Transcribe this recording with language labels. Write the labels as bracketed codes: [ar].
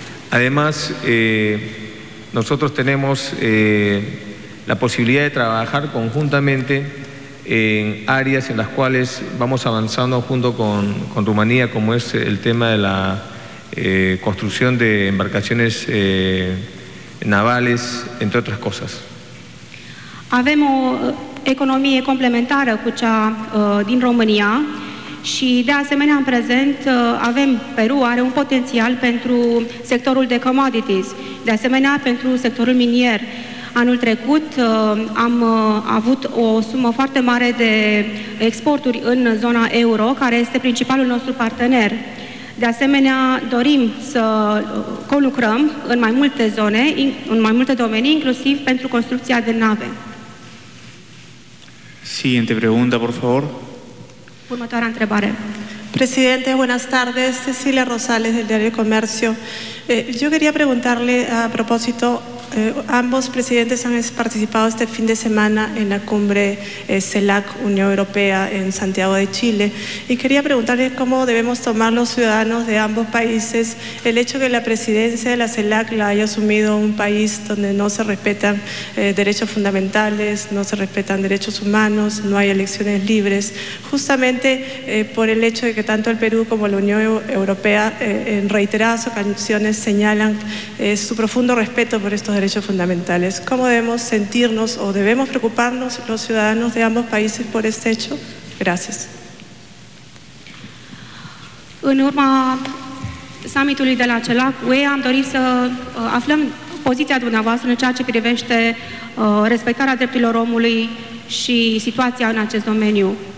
[es] Además, nosotros tenemos la posibilidad de trabajar conjuntamente en áreas en las cuales vamos avanzando junto con Rumanía, como es el tema de la construcción de embarcaciones navales, entre otras cosas. [ro] Avemos economie complementară cu cea din România și de asemenea în prezent avem Peru are un potențial pentru sectorul de commodities, de asemenea pentru sectorul minier. Anul trecut am avut o sumă foarte mare de exporturi în zona euro, care este principalul nostru partener. De asemenea, dorim să conlucrăm în mai multe zone, în mai multe domenii, inclusiv pentru construcția de nave. [es] Siguiente pregunta, por favor. [ro] Următoarea întrebare. [es] Presidente, buenas tardes. Cecilia Rosales, del Diario Comercio. Yo quería preguntarle a propósito, ambos presidentes han participado este fin de semana en la cumbre CELAC Unión Europea en Santiago de Chile, y quería preguntarle cómo debemos tomar los ciudadanos de ambos países el hecho que la presidencia de la CELAC la haya asumido un país donde no se respetan derechos fundamentales, no se respetan derechos humanos, no hay elecciones libres, justamente por el hecho de que tanto el Perú como la Unión Europea en reiteradas ocasiones señalan su profundo respeto por estos derechos fundamentales. ¿Cómo debemos sentirnos o debemos preocuparnos los ciudadanos de ambos países por este hecho? Gracias. [ro] În urma summitului de la CELAC, UE, am dorit să aflăm poziția dumneavoastră în ceea ce privește respectarea drepturilor omului și situația în acest domeniu.